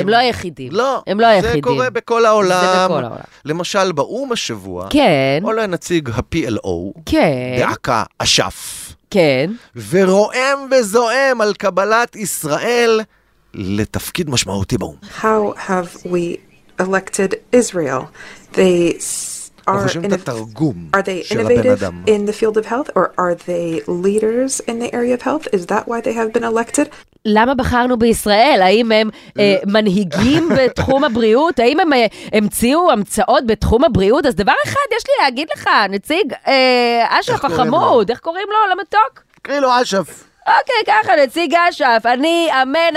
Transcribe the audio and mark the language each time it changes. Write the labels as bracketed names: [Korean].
[Hebrew] הם לא היחידים. לא, הם לא זה היחידים. קורה בכל העולם. זה בכל העולם. למשל, באום השבוע, כן. עולה נציג ה-PLO, כן. דעקה אשף, כן. ורועם וזועם על קבלת ישראל לתפקיד משמעותי באום. [English] How have we elected Israel? They... Are they innovative in the field of health or are they leaders in the area of health? Is that why they have been elected? [Hebrew] למה בחרנו בישראל? האם הם מנהיגים בתחום הבריאות? האם הם המציאו המצאות בתחום הבריאות? אז דבר אחד יש לי להגיד לך, נציג אשף החמוד, איך קוראים לו? למתוק? קריא לו אשף. אוקיי, ככה, נציג אשף, אני אמן, אמן, אמן.